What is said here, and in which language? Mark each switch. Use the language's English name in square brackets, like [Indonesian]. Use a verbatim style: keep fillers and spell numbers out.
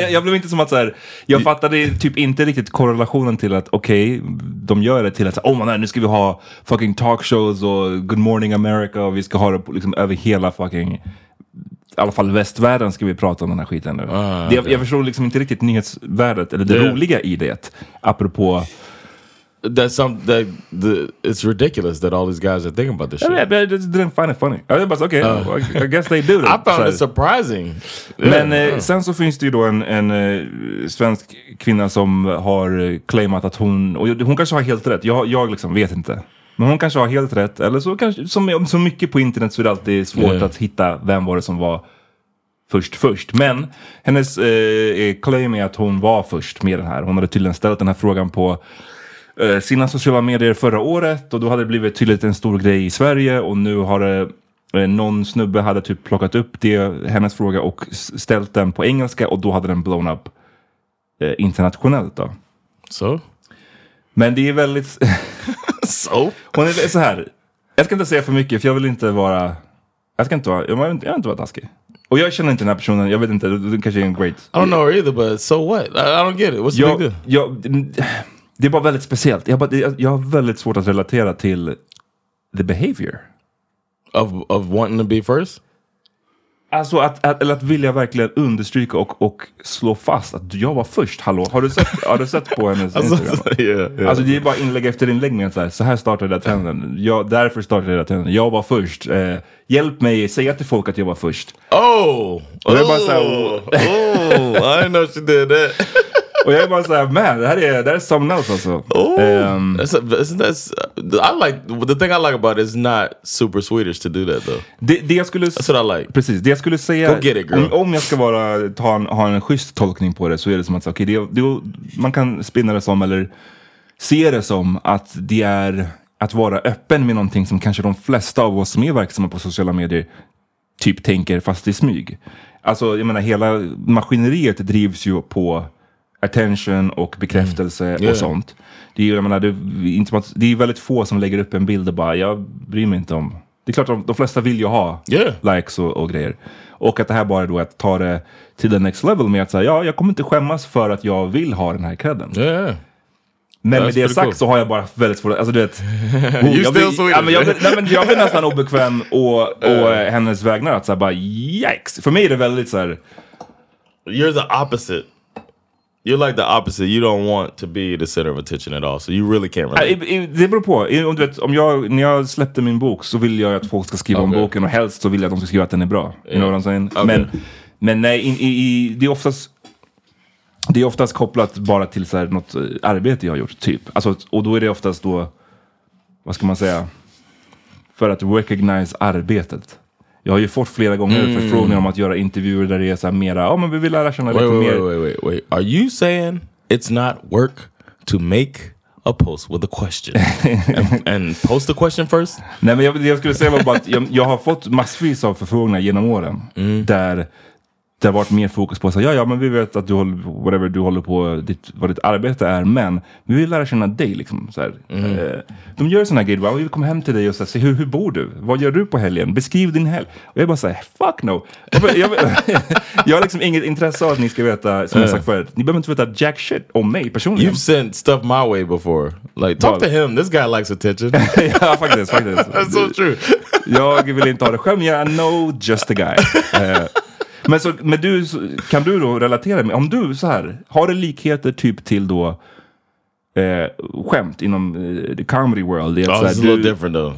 [Swedish] Jag, jag blev inte som att så här, jag fattade typ inte riktigt korrelationen till att okej, okay, de gör det till att oh man nej, nu ska vi ha fucking talkshows och Good Morning America och vi ska ha det liksom över hela fucking i alla fall västvärlden ska vi prata om den här skiten nu. Ah, det, jag, jag förstår liksom inte riktigt nyhetsvärdet eller det yeah. roliga i det apropå [English] That's something that the, it's ridiculous that all these guys are thinking about this shit. Yeah, I just didn't find it funny. I was okay. Uh, I guess they do. I found so. it surprising. [Swedish] Men yeah. eh, sen så finns det ju då en, en eh, svensk kvinna som har claimat att hon och hon kanske har helt rätt. Jag jag liksom vet inte. Men hon kanske har helt rätt eller så kanske som så mycket på internet så är det alltid svårt yeah. att hitta vem var det som var först först. Men hennes eh, claim är att hon var först med den här. Hon hade tydligen ställt den här frågan på sina sociala medier förra året och då hade det blivit tydligt en stor grej i Sverige och nu har det, någon snubbe hade typ plockat upp det, hennes fråga och ställt den på engelska och då hade den blown up eh, internationellt då. Så? Men det är väldigt så? Hon är så här. Jag ska inte säga för mycket för jag vill inte vara jag ska inte vara, jag vill inte, jag vill inte vara taskig. Och jag känner inte den här personen, jag vet inte, det kanske är en great [English] I don't know her either but so what? I, I don't get it. What's the [Swedish] jag, [English] big deal? [Swedish] Jag, Det är bara väldigt speciellt. Jag, bara, jag, jag har väldigt svårt att relatera till [English] the behavior. Of, of wanting to be first? [Swedish] Alltså att, att, eller att vilja verkligen understryka och, och slå fast att jag var först. Hallå, har du sett, har du sett på hennes Instagram? Alltså, yeah, yeah. alltså det är bara inlägg efter inlägg med så här, så här startade det trenden. Jag, därför startade det trenden. Jag var först. Eh, hjälp mig, säga till folk att jag var först. Oh! Och det är bara så här, [English] oh, oh, I know she did that. [Swedish] Och jag är bara så här, man, det här är, det här är [English] something else [Swedish] alltså. [English] Oh, um, that's a, that's, I like, the thing I like about it is not super Swedish to do that though. [Swedish] Det, det jag skulle, [English] that's what I like. [Swedish] Precis, det jag skulle säga, [English] go get it, [Swedish] om, om jag ska vara, ta en, ha en schysst tolkning på det så är det som att okay, det, det, man kan spinna det som eller se det som att det är att vara öppen med någonting som kanske de flesta av oss som är verksamma på sociala medier typ tänker fast i smyg. Alltså jag menar hela maskineriet drivs ju på attention och bekräftelse mm. yeah. och sånt. Det är ju jag menar det är, inte, det är väldigt få som lägger upp en bild och bara jag bryr mig inte om. Det är klart de, de flesta vill ju ha yeah. likes och, och grejer. Och att det här bara är då att ta det till [English] the next level [Swedish] med att säga ja jag kommer inte skämmas för att jag vill ha den här credden. Yeah. Men ja, med det sagt cool. så har jag bara väldigt svårt. Alltså du vet oh, jag blir, so ja, men jag, nej, men jag blir nästan obekväm och, och uh. hennes vägnar att så här, bara yikes. För mig är det väldigt så här. [English] You're the opposite. You're like the opposite. You don't want to be the center of attention at all. So you really can't relate. [Swedish] I, I, det beror på. I, om du vet, om jag, när jag släppte min bok så vill jag att folk ska skriva okay. om boken. Och helst så vill jag att de ska skriva att den är bra. [English] You know what I'm saying? Okay. [Swedish] Men, men nej, i, i, det är oftast... Det är oftast kopplat bara till så här, något arbete jag har gjort, typ. Alltså, och då är det oftast då, vad ska man säga, för att recognize arbetet. Jag har ju fått flera gånger mm. förfrågningar om att göra intervjuer där det är så här mera, ja oh, men vi vill lära känna [English] wait, [Swedish] lite [English] wait, [Swedish] mer. [English] Wait, wait, wait, wait. Are you saying it's not work to make a post with a question? and, and post the question first? [Swedish] Nej, men jag, jag skulle säga var bara att jag, jag har fått massvis av förfrågningar genom åren mm. där... Det har varit mer fokus på så här, ja, ja, men vi vet att du håller, whatever du håller på, ditt, vad ditt arbete är, men vi vill lära känna dig, liksom, så här. Mm. Eh, de gör sådana här grejer, vi kommer hem till dig och så här, se, hur, hur bor du? Vad gör du på helgen? Beskriv din helg. Och jag bara så här, fuck no. Jag, jag, jag har liksom inget intresse av att ni ska veta, som jag sagt förut, ni behöver inte veta jack shit om mig personligen. [English] You've sent stuff my way before. Like, talk to him, this guy likes attention. [Swedish] Ja, faktiskt, faktiskt. [English] That's so true. [Swedish] Jag vill inte ha det själv, jag yeah, [English] know just the guy. [Swedish] Eh, Men, så, men du, kan du då relatera med, om du så här, har det likheter typ till då eh, skämt inom eh, [English] the comedy world? [Swedish] Det är [English] oh, it's a little different though.